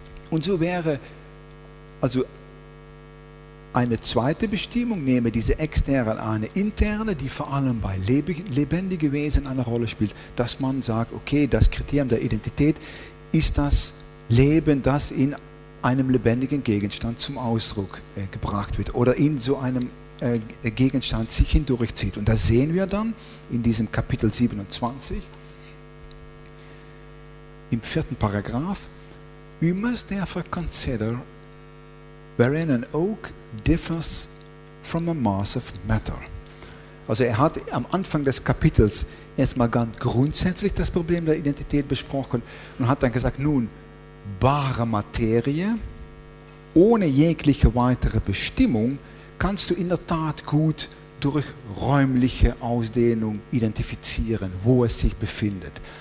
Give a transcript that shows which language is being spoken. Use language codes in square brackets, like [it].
[de] Und so wäre also eine zweite Bestimmung, nehme diese externe eine interne, die vor allem bei lebendigen Wesen eine Rolle spielt, dass man sagt, okay, das Kriterium der Identität ist das Leben, das in einem lebendigen Gegenstand zum Ausdruck gebracht wird oder in so einem Gegenstand sich hindurchzieht. Und das sehen wir dann in diesem Kapitel 27, im 4. Paragraph. [en] We must therefore consider wherein an oak differs from a mass of matter. [de] Also er hat am Anfang des Kapitels erstmal ganz grundsätzlich das Problem der Identität besprochen und hat dann gesagt, nun, bare Materie, ohne jegliche weitere Bestimmung, kannst du in der Tat gut durch räumliche Ausdehnung identifizieren, wo es sich befindet.